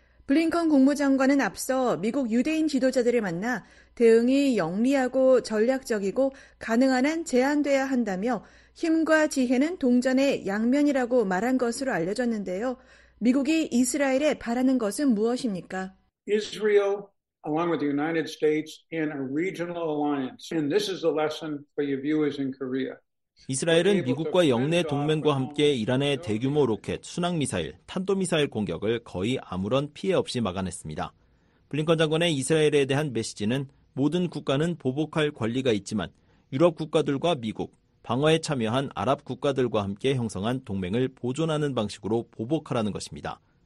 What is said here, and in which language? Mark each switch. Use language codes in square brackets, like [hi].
[ko] 블링컨 국무장관은 앞서 미국 유대인 지도자들을 만나 대응이 영리하고 전략적이고 가능한 한 제한돼야 한다며 힘과 지혜는 동전의 양면이라고 말한 것으로 알려졌는데요. 미국이 이스라엘에 바라는 것은 무엇입니까? [en] Israel, along with the United States, in a regional alliance. And this is a lesson for your viewers in Korea. [ko] 이스라엘은 미국과 영내 동맹과 함께 이란의 대규모 로켓, 순항미사일, 탄도미사일 공격을 거의 아무런 피해 없이 막아냈습니다. 블링컨 장관의 이스라엘에 대한 메시지는 모든 국가는 보복할 권리가 있지만 유럽 국가들과 미국, 방어에 참여한 아랍 국가들과 함께 형성한 동맹을 보존하는 방식으로 보복하라는 것입니다.